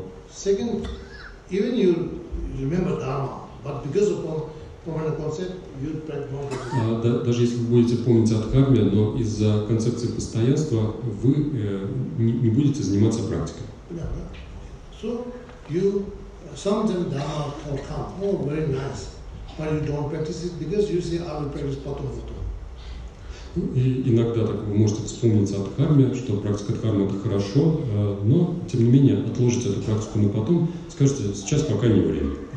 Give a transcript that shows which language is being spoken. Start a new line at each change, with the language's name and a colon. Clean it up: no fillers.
English: second, even you remember Dharma, but because of permanent concept, you practice more.
Russian: Даже если вы будете помнить о Дхарме, но из-за концепции постоянства вы не будете заниматься практикой.
English: So you sometimes Dharma will come, oh, very nice, but you don't practice it because you say I will practice
Russian: potom potom. И иногда так вы можете вспомнить о Дхарме, что практика Дхармы – это хорошо, но, тем не менее, отложите эту практику на потом, скажете, сейчас пока не время.